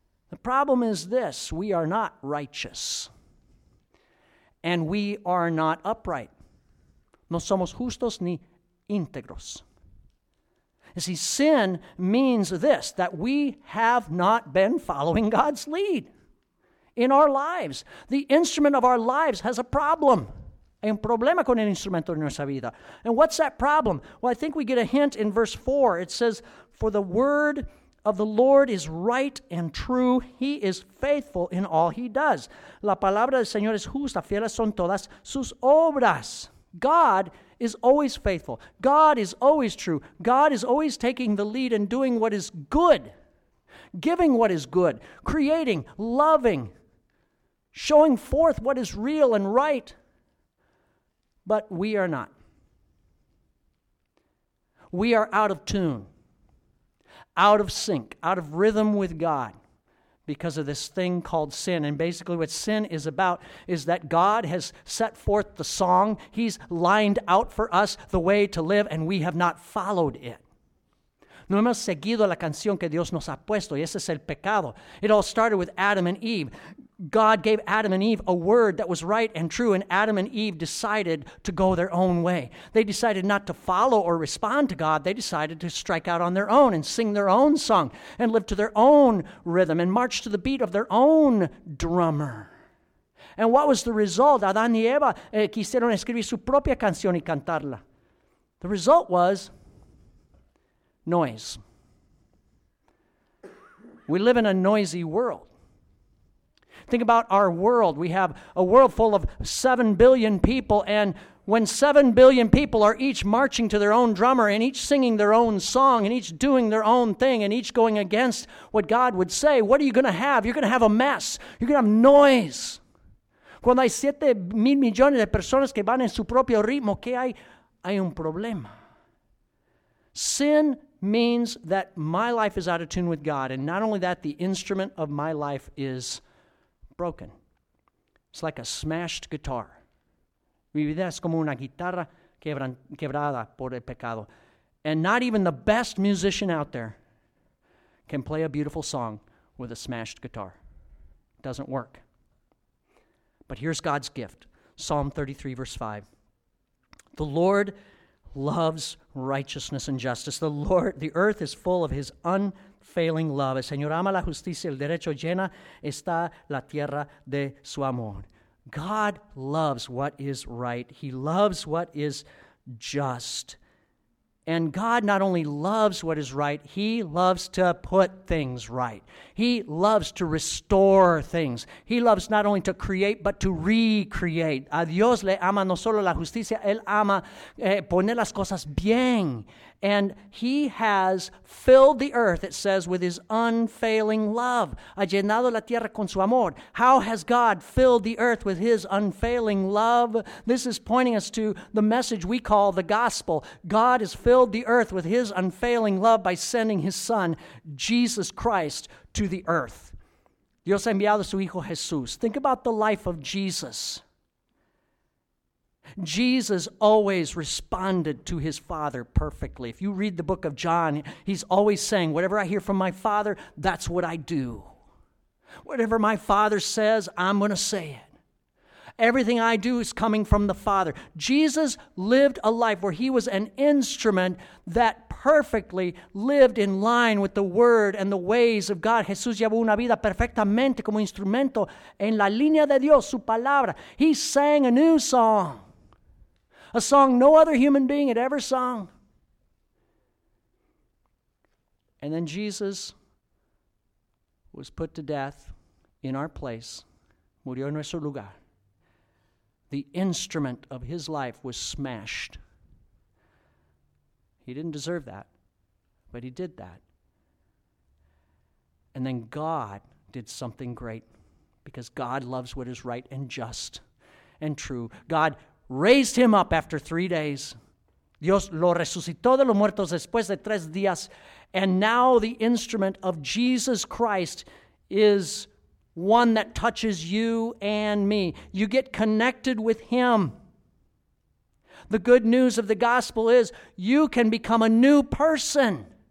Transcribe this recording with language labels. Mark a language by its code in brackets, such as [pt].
[en] The problem is this: we are not righteous. And we are not upright. [es] No somos justos ni íntegros. [en] You see, sin means this, that we have not been following God's lead in our lives. The instrument of our lives has a problem. [es] Hay un problema con el instrumento de nuestra vida. [en] And what's that problem? Well, I think we get a hint in verse 4. It says, "For the word of the Lord is right and true. He is faithful in all he does." [es] La palabra del Señor es justa, fieles son todas sus obras. [en] God is always faithful. God is always true. God is always taking the lead and doing what is good, giving what is good, creating, loving, showing forth what is real and right. But we are not. We are out of tune, out of sync, out of rhythm with God, because of this thing called sin. And basically what sin is about is that God has set forth the song. He's lined out for us the way to live, and we have not followed it. [es] No hemos seguido la canción que Dios nos ha puesto, y ese es el pecado. [en] It all started with Adam and Eve. God gave Adam and Eve a word that was right and true, and Adam and Eve decided to go their own way. They decided not to follow or respond to God. They decided to strike out on their own and sing their own song and live to their own rhythm and march to the beat of their own drummer. And what was the result? [es] Adán y Eva quisieron escribir su propia canción y cantarla. [en] The result was noise. We live in a noisy world. Think about our world. We have a world full of 7 billion people, and when 7 billion people are each marching to their own drummer and each singing their own song and each doing their own thing and each going against what God would say, what are you going to have? You're going to have a mess. You're going to have noise. [es] Cuando hay 7 mil millones de personas que van en su propio ritmo, ¿qué hay? Hay un problema. [en] Sin means that my life is out of tune with God, and not only that, the instrument of my life is broken. It's like a smashed guitar. [es] Mi vida es como una guitarra quebrada por el pecado. [en] And not even the best musician out there can play a beautiful song with a smashed guitar. It doesn't work. But here's God's gift. Psalm 33, verse 5. The Lord loves righteousness and justice. The earth is full of his unfailing love. [es] El Señor ama la justicia, el derecho llena está la tierra de su amor. [en] God loves what is right. He loves what is just. And God not only loves what is right, he loves to put things right. He loves to restore things. He loves not only to create, but to recreate. [es] A Dios le ama no solo la justicia, él ama poner las cosas bien. [en] And he has filled the earth, it says, with his unfailing love. [es] Ha llenado la tierra con su amor. [en] How has God filled the earth with his unfailing love? This is pointing us to the message we call the gospel. God has filled the earth with his unfailing love by sending his son, Jesus Christ, to the earth. [es] Dios ha enviado su hijo Jesús. [en] Think about the life of Jesus. Jesus always responded to his Father perfectly. If you read the book of John, he's always saying, whatever I hear from my Father, that's what I do. Whatever my Father says, I'm going to say it. Everything I do is coming from the Father. Jesus lived a life where he was an instrument that perfectly lived in line with the word and the ways of God. [es] Jesús llevó una vida perfectamente como instrumento en la línea de Dios, su palabra. [en] He sang a new song. A song no other human being had ever sung. And then Jesus was put to death in our place. [es] Murió en nuestro lugar. [en] The instrument of his life was smashed. He didn't deserve that, but he did that. And then God did something great, because God loves what is right and just and true. God raised him up after 3 days. [es] Dios lo resucitó de los muertos después de 3 días. [en] And now the instrument of Jesus Christ is one that touches you and me. You get connected with him. The good news of the gospel is you can become a new person.